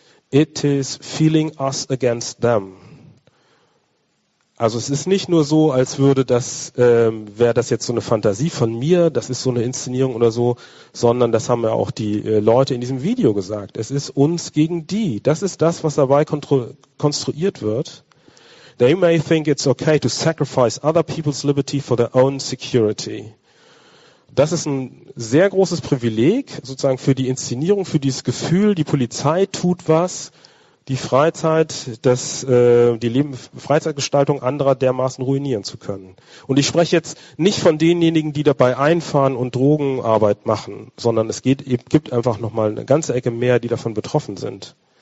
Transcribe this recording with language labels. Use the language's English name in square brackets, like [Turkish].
[English] It is feeling us against them. [German] Also es ist nicht nur so, als würde das, wäre das jetzt so eine Fantasie von mir, das ist so eine Inszenierung oder so, sondern das haben ja auch die Leute in diesem Video gesagt. Es ist uns gegen die. Das ist das, was dabei konstruiert wird. [English] They may think it's okay to sacrifice other people's liberty for their own security. [German] Das ist ein sehr großes Privileg, sozusagen für die Inszenierung, für dieses Gefühl, die Polizei tut was, die Freizeit, das, die Leben, Freizeitgestaltung anderer dermaßen ruinieren zu können. Und ich spreche jetzt nicht von denjenigen, die dabei einfahren und Drogenarbeit machen, sondern es geht, gibt einfach nochmal eine ganze Ecke mehr, die davon betroffen sind.